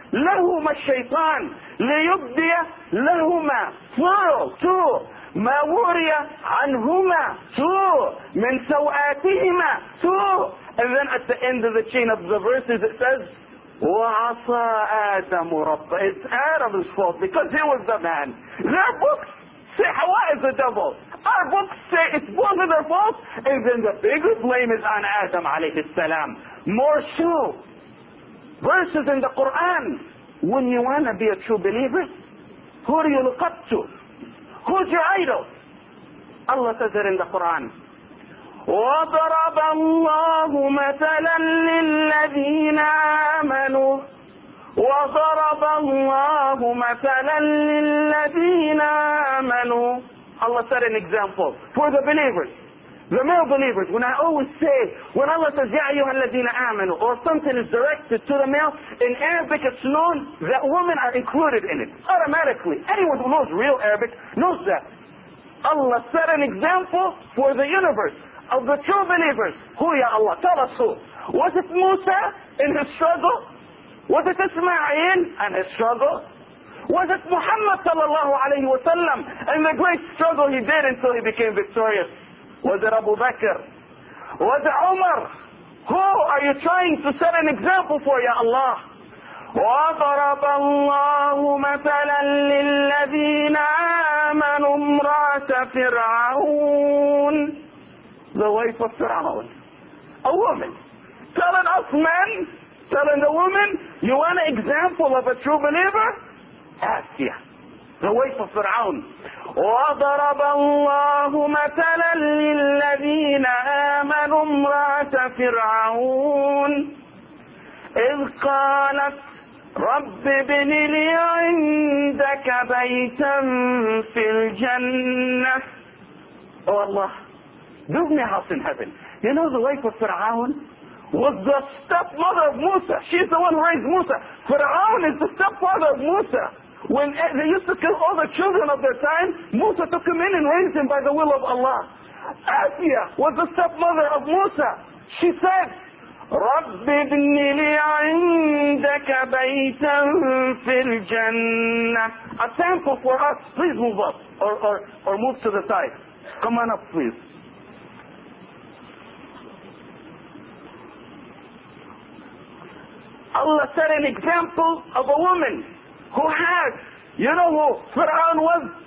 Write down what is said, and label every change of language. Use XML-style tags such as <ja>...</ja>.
<ar>لَهُمَا الشَّيْطَانِ لِيُبْدِيَ لَهُمَا</ar> <en>plural, two.</en> <ar>مَا وُرِيَ عَنْهُمَا</ar> <en>two.</en> <ar>مِنْ سَوْآتِهِمَا two.</ar> <en>And then at the end of the chain of the verses it says,</en> <ar>وَعَصَى آدَمُ رَبَّ</ar> <en>it's Adam's fault because he was the man. Their books say Hawa is the devil. Our books say it's both of their faults. And then the bigger blame is on Adam عليه السلام. More so, verses in the Quran, when you want to be a true believer, who do you look up to? Who's your idol? Allah says it in the Quran.</en> <ar>وَضَرَبَ اللَّهُ مَثَلًا لِلَّذِينَ آمَنُوا وَضَرَبَ اللَّهُ مَثَلًا لِلَّذِينَ آمَنُوا</ar> <en>Allah set an example for the believers. The male believers, when I always say, when Allah says,</en> <ar>Ya ayyuha alladhina amanu,</ar> <en>or something is directed to the male, in Arabic it's known that women are included in it, automatically. Anyone who knows real Arabic knows that. Allah set an example for the universe of the true believers. Who, Ya Allah? Tell us who. Was it Musa in his struggle? Was it Ismail in his struggle? Was it Muhammad sallallahu alayhi wa sallam in the great struggle he did until he became victorious? Was it Abu Bakr? Was it Umar? Who are you trying to set an example for, Ya Allah?</en> <ar>وَضَرَبَ اللَّهُ مَثَلًا لِلَّذِينَ آمَنُوا امْرَأَةَ فِرْعَوْنَ</ar> <en>The wife of Fir'aun. A woman. Telling us men, telling the woman, you want an example of a true believer? Asiya. The wife of Fir'aun.</en> <ar>وَضَرَبَ اللَّهُ مَثَلًا لِلَّذِينَ آمَنُوا امْرَأَةَ فِرْعَوْنَ إِذْ قَالَتْ رَبِّ ابْنِ لِي عِندَكَ بَيْتًا فِي الْجَنَّةِ</ar> <en>Oh Allah, give me a house in heaven. You know the wife of Fir'aun was the stepmother of Musa. She's the one who raised Musa. Fir'aun is the stepfather of Musa. When they used to kill all the children of their time, Musa took him in and raised him by the will of Allah. Asiya was the stepmother of Musa. She said,</en> <ar>رَبِّ ابْنِ لِي عِندَكَ بَيْتًا فِي الْجَنَّةِ</ar> <en>A sample for us. Please move up or move to the side. Come on up, please. Allah set an example of a woman who had, you know who Fir'aun was?</en>